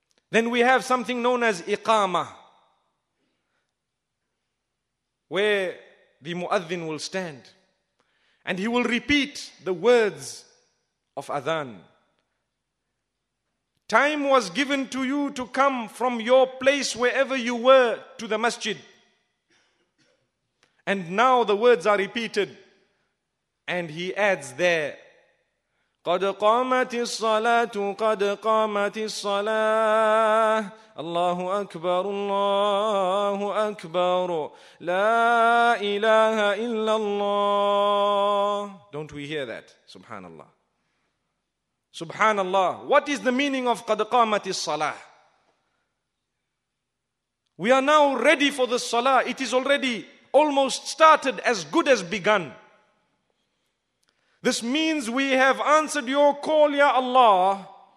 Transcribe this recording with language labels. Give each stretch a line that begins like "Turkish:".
English: Then we have something known as iqamah, where the muadhin will stand and he will repeat the words of adhan. Time was given to you to come from your place wherever you were to the masjid. And now the words are repeated and he adds there,
Arabic: قد قامت الصلاة قد قامت الصلاة الله أكبر الله أكبر لا إله إلا الله.
English: Don't we hear that? Subhanallah. Subhanallah. What is the meaning of
Arabic: قد قامت الصلاة?
English: We are now ready for the salah. It is already almost started, as good as begun. This means we have answered your call, Ya Allah.